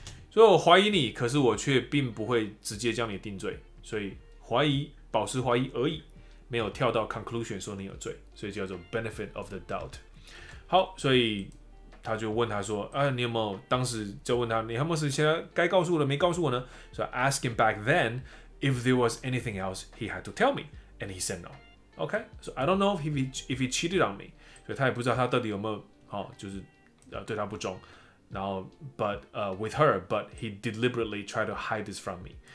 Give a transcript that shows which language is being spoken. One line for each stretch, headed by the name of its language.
Chinese: 所以我怀疑你，可是我却并不会直接将你定罪。所以怀疑，保持怀疑而已，没有跳到 conclusion 说你有罪，所以叫做
English: benefit of the doubt。
Chinese: 好，所以他就问他说：“你有没有当时就问他，你有没有现在该告诉我的没告诉我呢？”
English: So I asked him back then if there was anything else he had to tell me, and he said no. Okay, so I don't know if he cheated on me.
Chinese: 所以他也不知道他到底有没有、哦、就是、对他不忠。
English: 然后 but he deliberately tried to hide this from me.